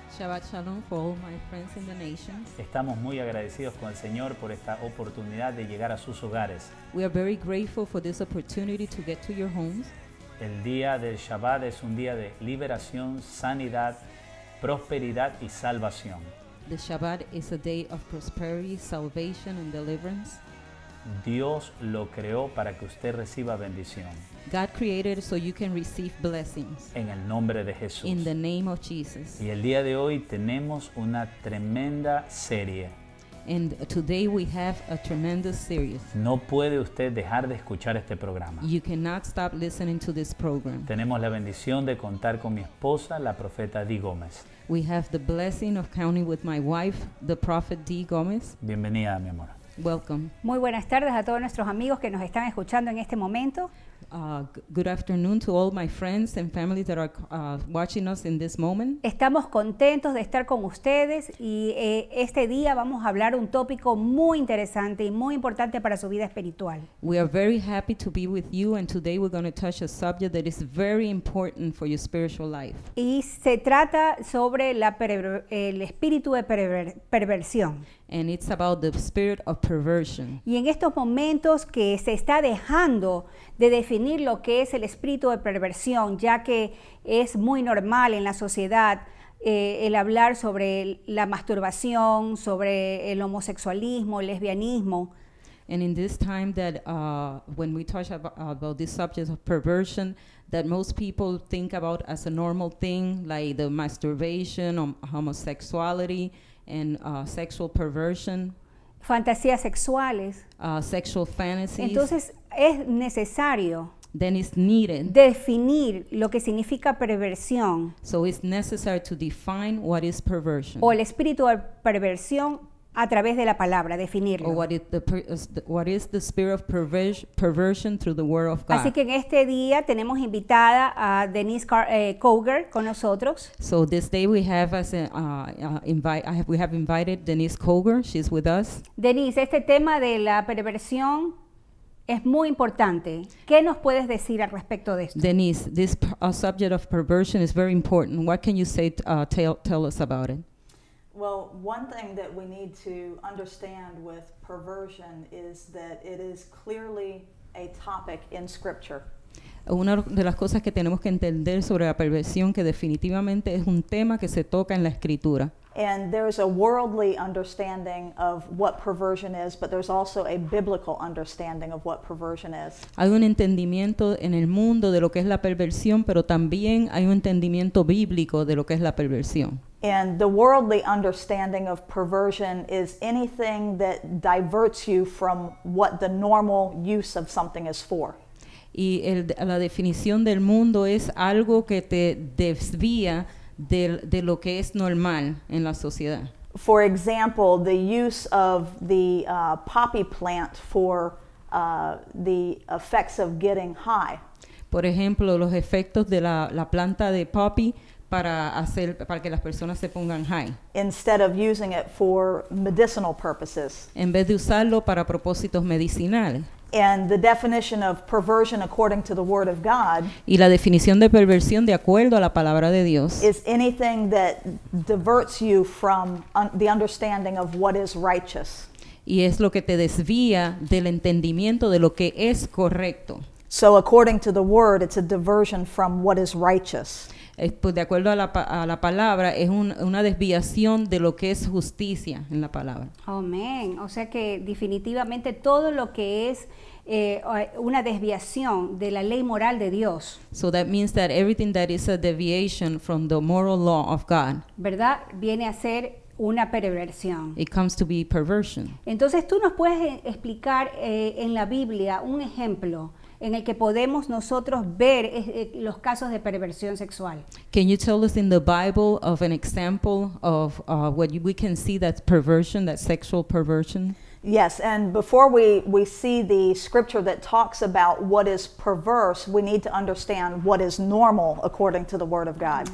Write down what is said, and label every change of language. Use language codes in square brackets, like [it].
[en] Shabbat shalom for all my friends in the nations. [es] Estamos muy agradecidos con el Señor por esta oportunidad de llegar a sus hogares. [en] We are very grateful for this opportunity to get to your homes. [es] El día del Shabbat es un día de liberación, sanidad, prosperidad y salvación. [en] The Shabbat is a day of prosperity, salvation and deliverance. [es] Dios lo creó para que usted reciba bendición. [en] God created so you can receive blessings. [es] En el nombre de Jesús. [en] In the name of Jesus. [es] Y el día de hoy tenemos una tremenda serie. [en] And today we have a tremendous series. [es] No puede usted dejar de escuchar este programa. [en] You cannot stop listening to this program. [es] Tenemos la bendición de contar con mi esposa, la profeta Dee Gómez. [en] We have the blessing of counting with my wife, the prophet Dee Gómez. [es] Bienvenida, mi amor. [en] Welcome. [es] Muy buenas tardes a todos nuestros amigos que nos están escuchando en este momento. [en] Good afternoon to all my friends and family that are watching us in this moment. [es] Estamos contentos de estar con ustedes y este día vamos a hablar un tópico muy interesante y muy importante para su vida espiritual. [en] We are very happy to be with you and today we're going to touch a subject that is very important for your spiritual life. [es] Y se trata sobre el espíritu de perversión. [en] And it's about the spirit of perversion. [es] Y en estos momentos que se está dejando de definir lo que es el espíritu de perversión, ya que es muy normal en la sociedad el hablar sobre la masturbación, sobre el homosexualismo, el lesbianismo. [en] And in this time that when we talk about this subject of perversion, that most people think about as a normal thing, like the masturbation, homosexuality, and sexual perversion. [es] Fantasías sexuales. [en] Sexual fantasies. [es] Entonces es necesario. [en] Then it's needed. [es] Definir lo que significa perversión. [en] So it's necessary to define what is perversion. [es] O el espíritu de perversión a través de la palabra, definirlo. [en] Or what is the spirit of perversion through the word of God. [es] Así que en este día tenemos invitada a Denise Coger con nosotros. [en] So this day we have as invited Denise Coger. She's with us. [es] Denise, este tema de la perversión es muy importante. ¿Qué nos puedes decir al respecto de esto? [en] Denise, this subject of perversion is very important. What can you say tell us about it? Well, one thing that we need to understand with perversion is that it is clearly a topic in Scripture. [es] Una de las cosas que tenemos que entender sobre la perversión que definitivamente es un tema que se toca en la Escritura. [en] And there is a worldly understanding of what perversion is, but there's also a biblical understanding of what perversion is. [es] Hay un entendimiento en el mundo de lo que es la perversión, pero también hay un entendimiento bíblico de lo que es la perversión. [en] And the worldly understanding of perversion is anything that diverts you from what the normal use of something is for. [es] Y la definición del mundo es algo que te desvía de lo que es normal en la sociedad. [en] For example, the use of the poppy plant for the effects of getting high. [es] Por ejemplo, los efectos de la planta de poppy para que las personas se pongan high. [en] Instead of using it for medicinal purposes. [es] En vez de usarlo para propósitos medicinales. [en] And the definition of perversion according to the word of God. [es] Y la definición de perversión de acuerdo a la palabra de Dios. [en] Is anything that diverts you from the understanding of what is righteous. [es] Y es lo que te desvía del entendimiento de lo que es correcto. [en] So according to the word, it's a diversion from what is righteous. [es] Pues de acuerdo a la palabra, es una desviación de lo que es justicia en la palabra. Oh, amén. O sea que definitivamente todo lo que es una desviación de la ley moral de Dios. [en] So that means that everything that is a deviation from the moral law of God. [es] ¿Verdad? Viene a ser una perversión. [en] It comes to be perversion. [es] Entonces tú nos puedes explicar en la Biblia un ejemplo en el que podemos nosotros ver los casos de perversión sexual. [en] Can you tell us in the Bible of an example of what we can see that perversion, that sexual perversion? Yes, and before we see the scripture that talks about what is perverse, we need to understand what is normal according to the word of God.